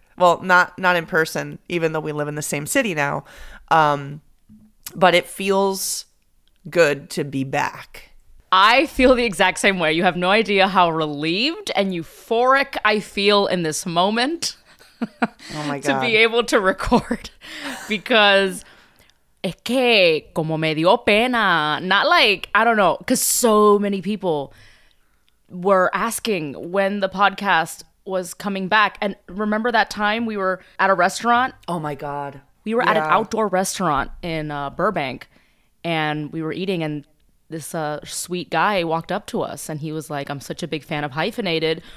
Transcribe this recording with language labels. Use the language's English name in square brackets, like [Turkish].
[English] Well, not in person, even though we live in the same city now. But it feels good to be back. I feel the exact same way. You have no idea how relieved and euphoric I feel in this moment. Oh my God. To be able to record. Because [Spanish] es que como me dio pena. [English] Not like, I don't know, because so many people were asking when the podcast was coming back. And remember that time we were at a restaurant? Oh my God. We were at an outdoor restaurant in Burbank and we were eating and this sweet guy walked up to us and he was like, I'm such a big fan of Hyphenated.